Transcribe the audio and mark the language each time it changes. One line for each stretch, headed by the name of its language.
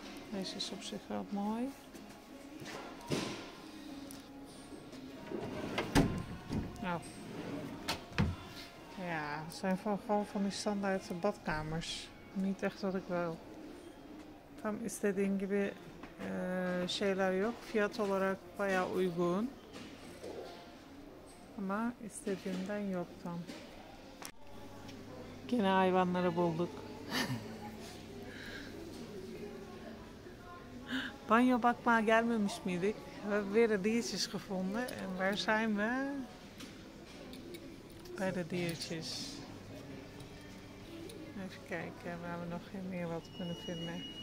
Dutch: Deze is op zich wel mooi. Nou. Ja, het zijn gewoon van die standaard badkamers. Niet echt wat ik wil.
Turkish: Tam istediğin gibi şeyler yok. Fiyat olarak bayağı uygun. Ama istediğimden yok tam. Yine hayvanları bulduk. Banyo bakmaya gelmemiş miydik?
Dutch: We hebben weer de diertjes gevonden. En waar zijn we? Bij de diertjes. Even kijken waar we nog meer wat kunnen vinden.